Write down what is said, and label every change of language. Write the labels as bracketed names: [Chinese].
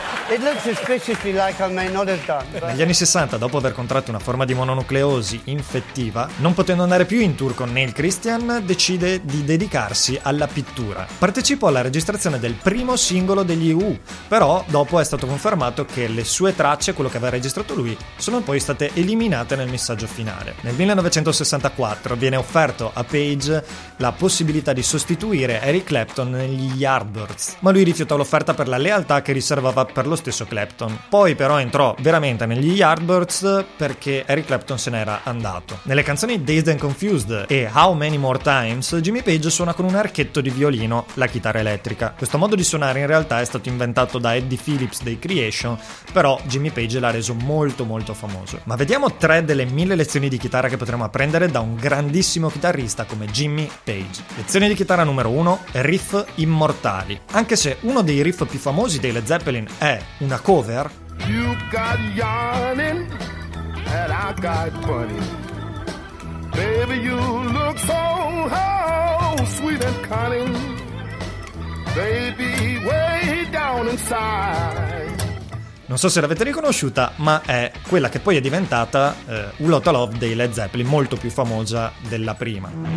[English] It looks suspiciously like I may not have done. But... [Italian] Negli anni 60, dopo aver contratto una forma di mononucleosi infettiva, non potendo andare più in tour con Neil Christian, decide di dedicarsi alla pittura. Partecipò alla registrazione del primo singolo degli U, però dopo è stato confermato che le sue tracce, quello che aveva registrato lui, sono poi state eliminate nel missaggio finale. Nel 1964 viene offerto a Page la possibilità di sostituire Eric Clapton negli Yardbirds, ma lui rifiutò l'offerta per la lealtà che riservava per lo stesso Clapton. Poi però entrò veramente negli Yardbirds perché Eric Clapton se n'era andato. Nelle canzoni Dazed and Confused e How Many More Times, Jimmy Page suona con un archetto di violino, la chitarra elettrica. Questo modo di suonare in realtà è stato inventato da Eddie Phillips dei Creation, però Jimmy Page l'ha reso molto molto famoso. Ma vediamo tre delle mille lezioni di chitarra che potremo apprendere da un grandissimo chitarrista come Jimmy Page. Lezione di chitarra numero 1: riff immortali. Anche se uno dei riff più famosi dei Led Zeppelin è una cover. [English] You got yarning and I got funny. Baby, you look so sweet and cunning. Baby, way down inside. [Italian] Non so se l'avete riconosciuta, ma è quella che poi è diventata U Lotta Love dei Led Zeppelin, molto più famosa della prima.